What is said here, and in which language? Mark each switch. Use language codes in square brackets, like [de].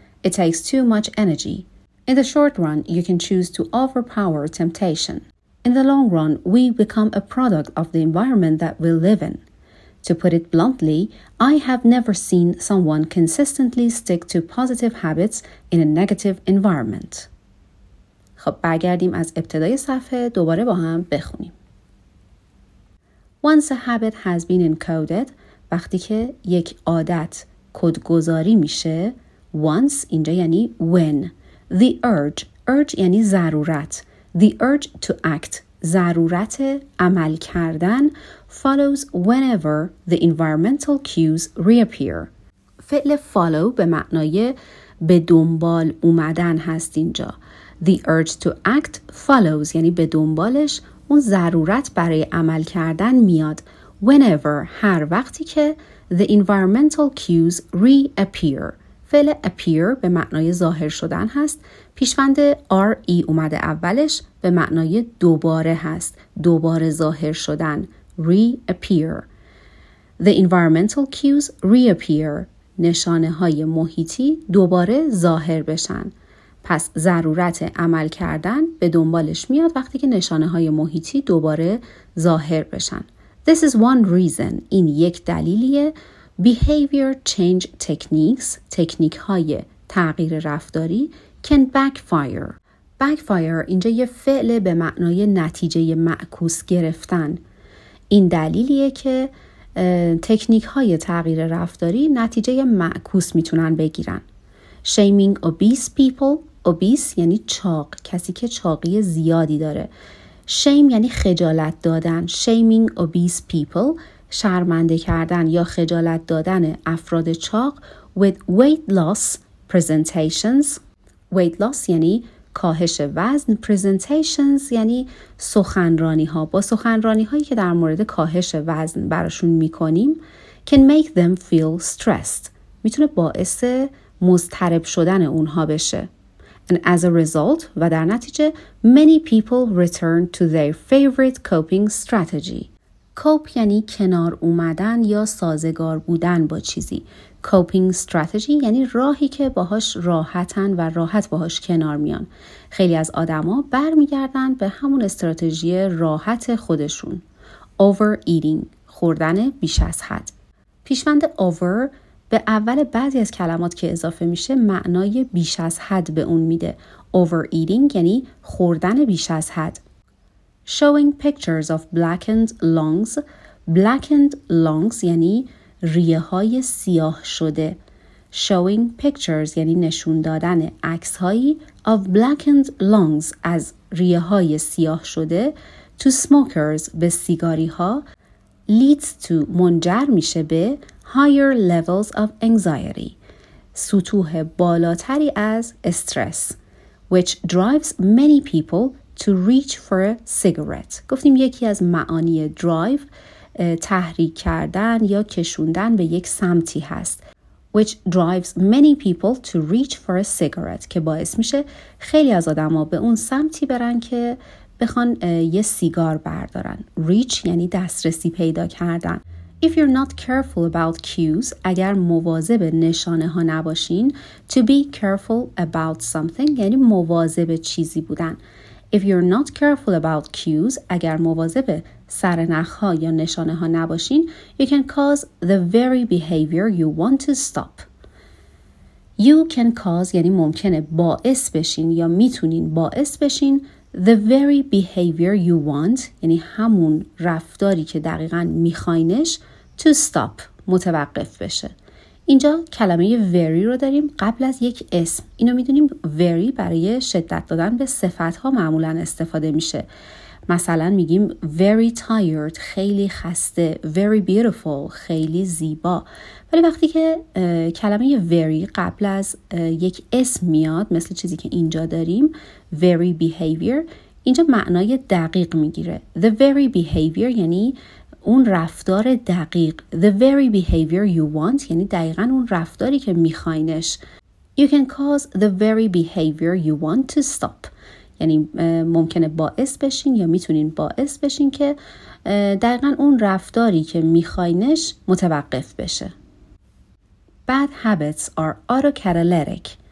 [en] It takes too much energy. In the short run, you can choose to overpower temptation. In the long run, we become a product of the environment that we live in. To put it bluntly, I have never seen someone consistently stick to positive habits in a negative environment. [fa] خب برگردیم از ابتدای صفحه دوباره با هم بخونیم. [en] Once a habit has been encoded, [fa] وقتی که یک عادت کدگذاری میشه, [en] once [fa] اینجا یعنی [en] when, the urge [fa] یعنی ضرورت, [en] the urge to act, [fa] ضرورت عمل کردن, [en] follows whenever the environmental cues reappear. [fa] فعل follow به معنای به دنبال اومدن هست اینجا. [en] The urge to act follows, [fa] یعنی به دنبالش اون ضرورت برای عمل کردن میاد. [en] Whenever, [fa] هر وقتی که [en] the environmental cues reappear. [fa] فعل appear به معنای ظاهر شدن هست. پیشوند re اومده اولش به معنای دوباره هست. دوباره ظاهر شدن. Reappear. [en] The environmental cues reappear. [fa] نشانه های محیطی دوباره ظاهر بشن. پس ضرورت عمل کردن به دنبالش میاد وقتی که نشانه های محیطی دوباره ظاهر بشن. [en] This is one reason. [fa] این یک دلیلیه. [en] Behavior change techniques, [fa] تکنیک های تغییر رفتاری, [en] can backfire. [fa] Backfire اینجا یه فعل به معنای نتیجه معکوس گرفتن. این دلیلیه که تکنیک های تغییر رفتاری نتیجه معکوس میتونن بگیرن. [en] Shaming obese people. [fa] Obese یعنی چاق, کسی که چاقی زیادی داره. Shame یعنی خجالت دادن. [en] Shaming obese people, [fa] شرمنده کردن یا خجالت دادن افراد چاق. [en] With weight loss presentations. [fa] Weight loss یعنی کاهش وزن. Presentations یعنی سخنرانی ها. با سخنرانی هایی که در مورد کاهش وزن براشون میکنیم, [en] can make them feel stressed. [fa] میتونه باعث مضطرب شدن اونها بشه. [en] And as a result, [fa] و در نتیجه, [en] many people return to their favorite coping strategy. [fa] کوپ یعنی کنار اومدن یا سازگار بودن با چیزی. کوپینگ استراتژی یعنی راهی که باهاش راحتن و راحت باهاش کنار میان. خیلی از آدما برمیگردن به همون استراتژی راحت خودشون. اوور ایتینگ، خوردن بیش از حد. پیشوند اوور به اول بعضی از کلمات که اضافه میشه معنای بیش از حد به اون میده. اوور ایتینگ یعنی خوردن بیش از حد. [en] Showing pictures of blackened lungs. [fa] Blackened lungs یعنی ریه های سیاه شده. [en] Showing pictures [fa] یعنی نشون دادن عکس هایی [en] of blackened lungs [fa] از ریه های سیاه شده [en] to smokers [fa] به سیگاری ها [en] leads to [fa] منجر میشه به [en] higher levels of anxiety [fa] سطوح بالاتری از استرس [en] which drives many people to reach for a cigarette. [fa] گفتیم یکی از معانی drive تحریک کردن یا کشوندن به یک سمتی هست. [en] Which drives many people to reach for a cigarette [fa] که باعث میشه خیلی از آدم ها به اون سمتی برن که بخوان یه سیگار بردارن. Reach یعنی دسترسی پیدا کردن. [en] If you're not careful about cues, [fa] اگر مواظب نشانه ها نباشین, [en] to be careful about something [fa] یعنی مواظب چیزی بودن. [en] If you're not careful about cues, [fa] اگر مواظب سرنخ‌ها یا نشانه‌ها نباشین, [en] you can cause the very behavior you want to stop. You can cause [fa] یعنی ممکنه باعث بشین یا میتونین باعث بشین [en] the very behavior you want [fa] یعنی همون رفتاری که دقیقاً می‌خواینش [en] to stop [fa] متوقف بشه. اینجا کلمه very رو داریم قبل از یک اسم. اینو میدونیم very برای شدت دادن به صفت‌ها معمولاً استفاده میشه. مثلا میگیم [en] very tired [fa] خیلی خسته, [en] very beautiful [fa] خیلی زیبا. ولی وقتی که کلمه very قبل از یک اسم میاد مثل چیزی که اینجا داریم [en] very behavior, [fa] اینجا معنای دقیق میگیره. [en] The very behavior [fa] یعنی اون رفتار دقیق. [en] The very behavior you want [fa] یعنی دقیقا اون رفتاری که میخواینش. [en] You can cause the very behavior you want to stop [fa] یعنی ممکنه باعث بشین یا میتونین باعث بشین که دقیقا اون رفتاری که میخواینش متوقف بشه. [en] Bad habits are autocatalytic.